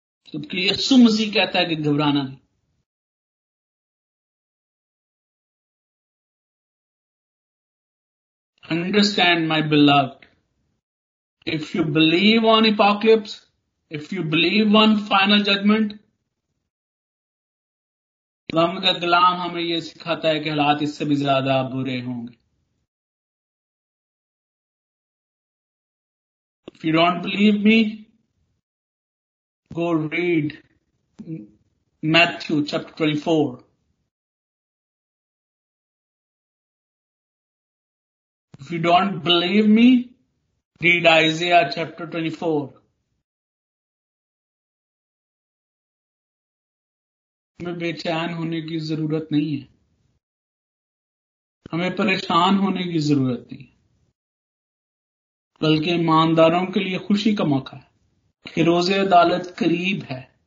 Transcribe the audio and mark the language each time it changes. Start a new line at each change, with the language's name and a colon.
Urdu: کیونکہ یسوع مسیح کہتا ہے کہ گھبرانا نہیں،
English: understand my blood, if you believe on apocalypse, if you believe on final judgement,
Urdu: غم کا کلام ہمیں یہ سکھاتا ہے کہ حالات اس سے بھی زیادہ برے ہوں گے.
English: If you don't believe me, go read Matthew chapter 24. If you don't believe me, read Isaiah chapter 24.
Urdu: ہمیں بے چین ہونے کی ضرورت نہیں ہے، ہمیں پریشان ہونے کی ضرورت نہیں ہے، بلکہ ایمانداروں کے لیے خوشی کا موقع ہے کہ روز عدالت قریب ہے،